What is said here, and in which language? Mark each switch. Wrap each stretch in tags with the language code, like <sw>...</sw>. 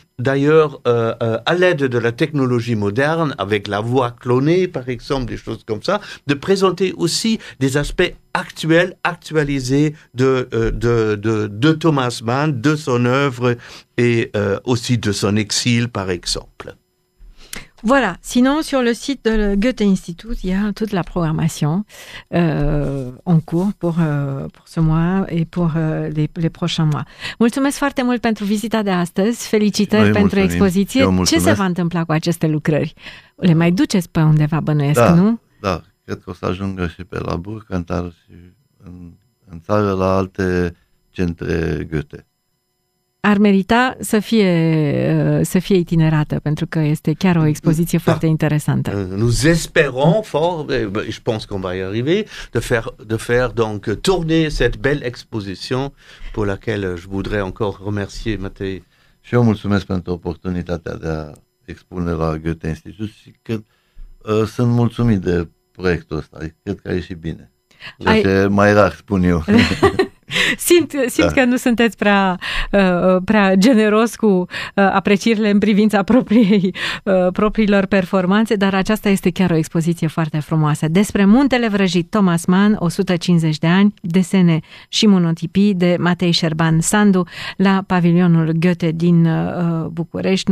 <fr>d'ailleurs, à l'aide de la technologie moderne, avec la voix clonée, par exemple, des choses comme ça, de présenter aussi des aspects actuels, actualisés de Thomas Mann, de son œuvre et aussi de son exil, par exemple. Voilà. Sinon, sur le site de Goethe-Institut, il y a toute la programmation en cours pour ce mois et pour les prochains mois.</fr> <ro>Mulțumesc foarte mult pentru vizita de astăzi. Felicitări pentru expoziție. Ce se va întâmpla cu aceste lucrări? Le mai duceți pe undeva, bănuiesc, da, nu? Da, cred că o să ajungă și pe la Burkantal și în țară la alte centre Goethe. Ar merita să fie itinerată, pentru că este chiar o expoziție foarte interesantă.</ro> <fr>Nous espérons fort, je pense qu'on va y arriver, de faire donc tourner cette belle exposition pour laquelle je voudrais encore remercier Matei.</fr> <ro>Și eu mulțumesc pentru oportunitatea de a expune la Goethe Institut și cred, sunt mulțumit de proiectul ăsta, cred că a ieșit bine. Deci mai rar spun eu. Simt da. Că nu sunteți prea generos cu aprecierile în privința propriilor performanțe, dar aceasta este chiar o expoziție foarte frumoasă despre Muntele Vrăjit, Thomas Mann, 150 de ani, desene și monotipii de Matei Șerban Sandu la pavilionul Goethe din București.</ro>